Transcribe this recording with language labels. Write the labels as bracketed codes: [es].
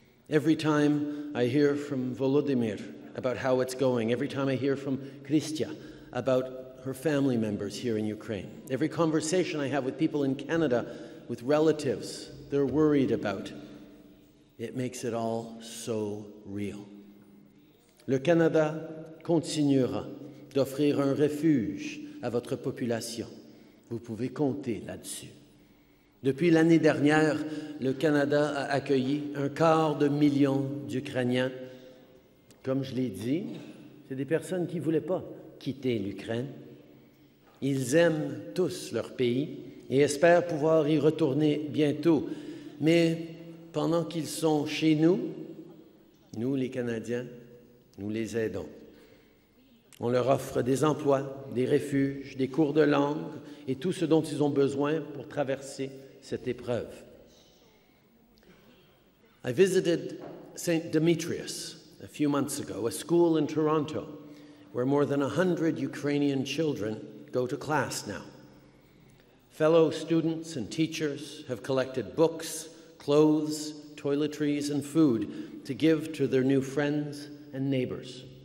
[en] Every time I hear from Volodymyr about how it's going, every time I hear from Kristya about her family members here in Ukraine, every conversation I have with people in Canada, with relatives they're worried about, it makes it all so real. [fr] Le Canada continuera d'offrir un refuge à votre population. Vous pouvez compter là-dessus. Depuis l'année dernière, le Canada a accueilli un quart de million d'Ukrainiens. Comme je l'ai dit, c'est des personnes qui ne voulaient pas quitter l'Ukraine. Ils aiment tous leur pays et espèrent pouvoir y retourner bientôt. Mais pendant qu'ils sont chez nous, nous les Canadiens, nous les aidons. On leur offre des emplois, des refuges, des cours de langue et tout ce dont ils ont besoin pour traverser cette épreuve. [en] I visited St. Demetrius a few months ago, a school in Toronto, where more than 100 Ukrainian children go to class now. Fellow students and teachers have collected books, clothes, toiletries, and food to give to their new friends and neighbors.